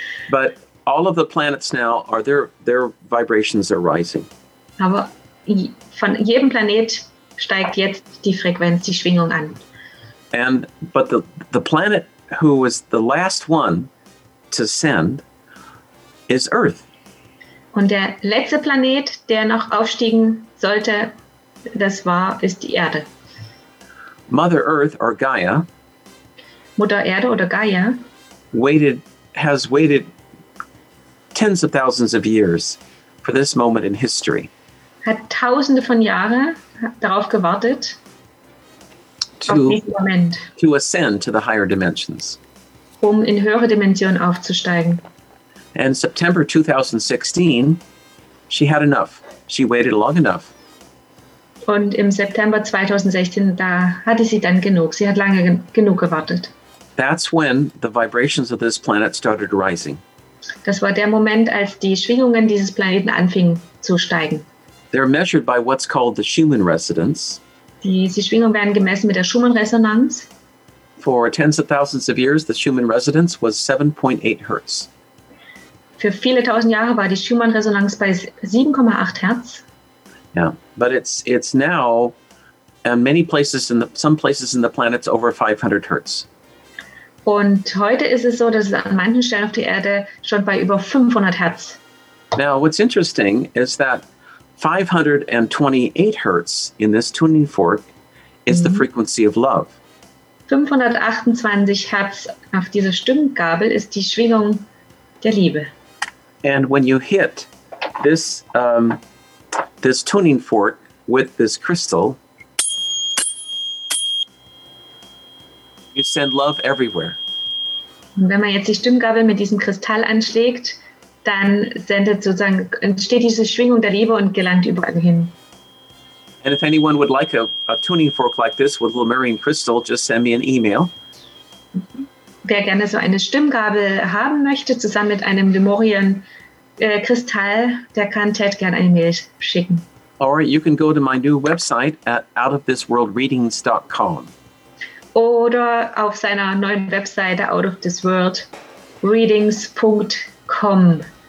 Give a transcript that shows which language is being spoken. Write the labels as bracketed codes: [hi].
[en] But all of the planets now, are their vibrations are rising. [de] Aber von jedem Planet steigt jetzt die Frequenz, die Schwingung an. [en] And but the planet who was the last one to send is Earth. [de] Und der letzte Planet, der noch aufsteigen sollte, das war, ist die Erde. [en] Mother Earth or Gaia. [de] Mutter Erde oder Gaia. [en] Has waited tens of thousands of years for this moment in history. [de] Hat tausende von Jahren darauf gewartet. [en] To ascend to the higher dimensions. [de] Um in höhere Dimensionen aufzusteigen. [en] And September 2016, she had enough. She waited long enough. [de] Und im September 2016, da hatte sie dann genug. Sie hat lange genug gewartet. [en] That's when the vibrations of this planet started rising. [de] Das war der Moment, als die Schwingungen dieses Planeten anfingen zu steigen. [en] They're measured by what's called the Schumann resonance. [de] Diese Schwingungen werden gemessen mit der Schumann-Resonanz. [en] For tens of thousands of years, the Schumann resonance was 7.8 Hertz. [de] Für viele tausend Jahre war die Schumann-Resonanz bei 7,8 Hertz. [en] Yeah, but it's now many places in the, some places in the planets over 500 Hertz. [de] Und heute ist es so, dass es an manchen Stellen auf der Erde schon bei über 500 Hertz. [en] Now, what's interesting is that 528 Hertz in this tuning fork is the frequency of love. [de] 528 Hertz auf dieser Stimmgabel ist die Schwingung der Liebe. [en] And when you hit this this tuning fork with this crystal, you send love everywhere. [de] Und wenn man jetzt die Stimmgabel mit diesem Kristall anschlägt, dann sendet sozusagen entsteht diese Schwingung der Liebe und gelangt überall hin. [en] And if anyone would like a tuning fork like this with Lemurian crystal, just send me an email. [de] Wer gerne so eine Stimmgabel haben möchte, zusammen mit einem Lemurian Kristall, der kann Ted gerne eine Mail schicken. [en] Or you can go to my new website at outofthisworldreadings.com. [de] Oder auf seiner neuen Webseite outofthisworldreadings.com.